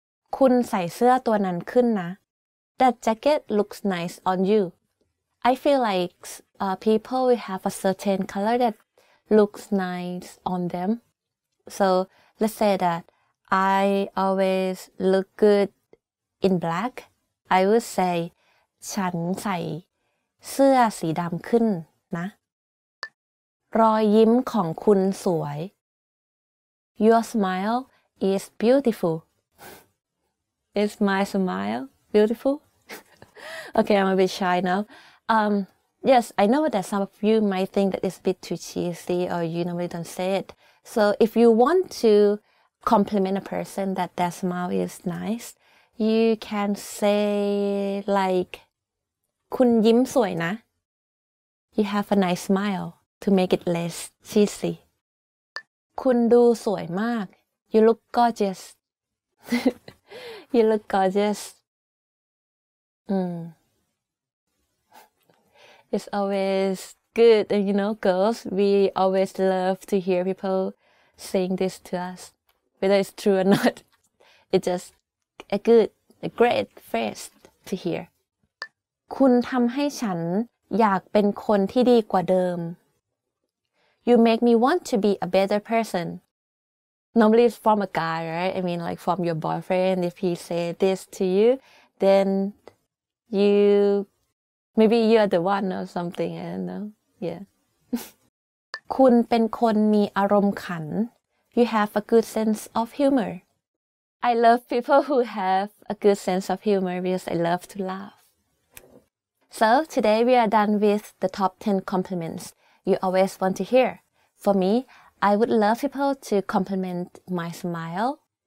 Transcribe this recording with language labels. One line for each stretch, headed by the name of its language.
Thai: Kun sai seua tua nan khun na.
English: That jacket looks nice on you. I feel like people have a certain color that looks nice on them. So let's say that I always look good in black. I would say
Thai: ฉันใส่เสื้อสีดำขึ้นนะรอยยิ้มของคุณสวย
English: Your smile is beautiful. Is my smile beautiful? Okay, I'm a bit shy now. Yes, I know that some of you might think that it's a bit too cheesy or you normally don't say it. So if you want to compliment a person that their smile is nice, you can say like,
Thai: คุณยิ้มสวยนะ
English: You have a nice smile to make it less cheesy.
Thai: คุณดูสวยมาก
English: You look gorgeous. You look gorgeous. It's always good, you know, girls, we always love to hear people saying this to us, whether it's true or not. It's just a good, a great phrase to hear. คุณทำให้ฉันอยากเป็นคนที่ดีกว่าเดิม You make me want to be a better person. Normally it's from a guy, right? I mean, like from your boyfriend, if he said this to you, then you... Maybe you are the one or something, I don't know. Yeah.
Thai: คุณเป็นคนมีอารมณ์ขัน
English: You have a good sense of humor. I love people who have a good sense of humor because I love to laugh. So today we are done with the top 10 compliments you always want to hear. For me, I would love people to compliment my smile.